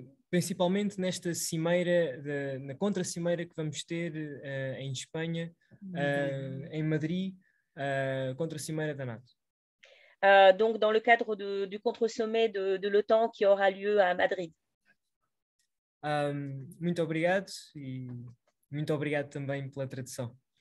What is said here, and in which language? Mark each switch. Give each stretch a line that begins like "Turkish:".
Portuguese: Principalmente nesta cimeira, na contra-cimeira que vamos ter em Espanha, em Madrid, contra-cimeira da NATO.
French: Donc, dans le cadre du contre-sommet de l'OTAN qui aura lieu à Madrid.
Portuguese: Muito obrigado e muito obrigado também pela tradução.